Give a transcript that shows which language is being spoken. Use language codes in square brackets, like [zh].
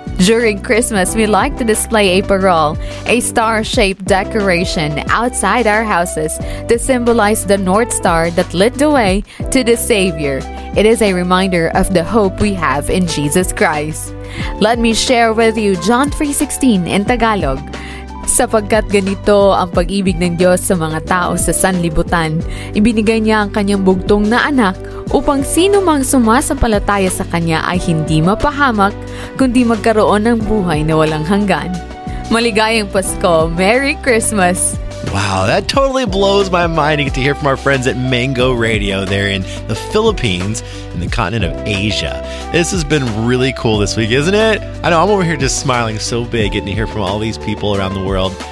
[en] During Christmas, we like to display a parol, a star-shaped decoration outside our houses to symbolize the North Star that lit the way to the Savior. It is a reminder of the hope we have in Jesus Christ. Let me share with you John 3:16 in Tagalog. [tl] Sapagkat ganito ang pag-ibig ng Diyos sa mga tao sa sanlibutan, ibinigay niya ang kanyang bugtong na anak upang sino mang sumasampalataya sa kanya ay hindi mapahamak, kundi magkaroon ng buhay na walang hanggan. Maligayang Pasko! [en] Merry Christmas! Wow, that totally blows my mind to get to hear from our friends at Mango Radio there in the Philippines, in the continent of Asia. This has been really cool this week, isn't it? I know, I'm over here just smiling so big getting to hear from all these people around the world.